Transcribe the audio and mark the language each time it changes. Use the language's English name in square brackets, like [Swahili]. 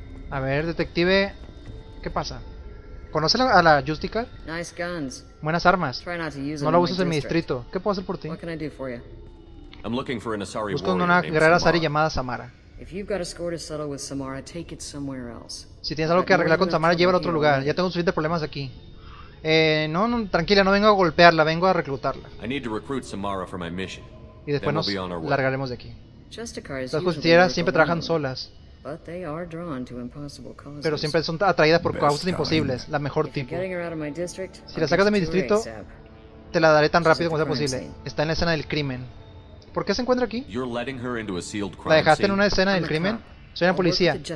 [Spanish] A ver, detective, ¿qué pasa? ¿Conoce a la Justicar? [English] Nice guns. [Spanish] Buenas armas. No la uses en mi distrito. ¿Qué puedo hacer por ti? [English] I'm looking for an Asari. [Spanish] Busco una guerrera Asari llamada Samara. [English] If you've got a score to settle with Samara, take it somewhere else. [Spanish] Si tienes algo que arreglar con Samara, llévala a otro lugar. Ya tengo suficientes problemas aquí. No, tranquila, no vengo a golpearla, vengo a reclutarla. [English] I need to recruit Samara for my mission. [Spanish] Y después nos largaremos de aquí. Las justicieras siempre trabajan solas. [English] But they are drawn to impossible causes. [Spanish] Pero siempre son atraídas por causas imposibles. La mejor tipo. Si la sacas de mi distrito, te la daré tan rápido como sea posible. Está en la escena del crimen. ¿Por qué se encuentra aquí? ¿La dejaste en una escena del crimen? Soy una policía.